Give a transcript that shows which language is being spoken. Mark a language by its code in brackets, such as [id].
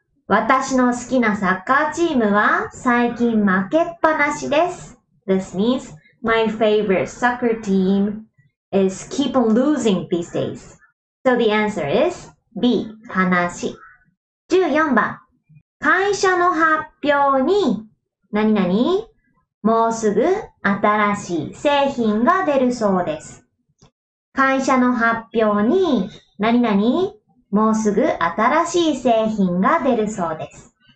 [ja] 私の好きなサッカーチームは最近負けっぱなしです。 [en] This means, my favorite soccer team is keep on losing these days. So the answer is B, [ja] 悲しい。14番。会社の発表に、何々、もうすぐ新しい製品が出るそうです。会社の発表に、何々、もうすぐ新しい製品が出るそうです。